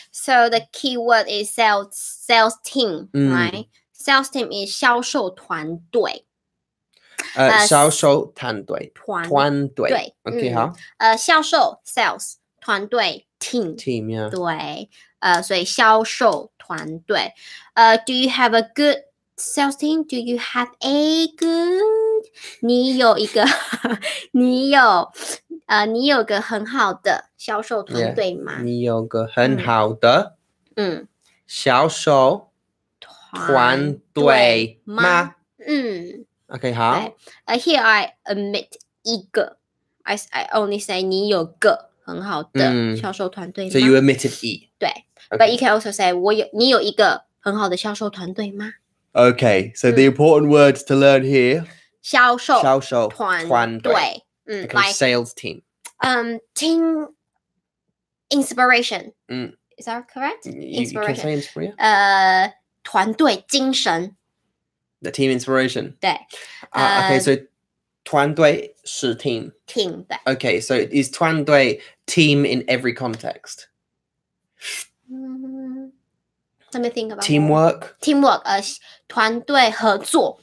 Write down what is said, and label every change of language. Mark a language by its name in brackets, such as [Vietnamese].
[English] So the key word is sales team, right? Sales team is 销售团队. [Chinese] 销售团队团队 OK 好销售 sales 团队 team [English] team 呀、yeah. [Chinese] 对所以销售团队 [English] Do you have a good sales team? Do you have a good? [Chinese] 你有一个你有你有个很好的销售团队吗 yeah, 你有个很好的嗯销售团队吗嗯 OK 好 [English] Here I omit 一个 I only say [Chinese] 你有个很好的销售团队吗、 [English] So you omitted E 对、okay. But you can also say [Chinese] 我有你有一个很好的销售团队吗 [English] OK So the important words to learn here [Chinese] 销售销售团队, 团队 [English] Like sales team. Team inspiration. Is that correct? You can say inspiration. [Chinese] 团队精神。 [English] The team inspiration. [Chinese] 对。 [English] Okay, so 团队是 team. Team, 对。 Okay, so is 团队 team in every context? Let me think about teamwork. That. [Chinese] Teamwork, 团队合作.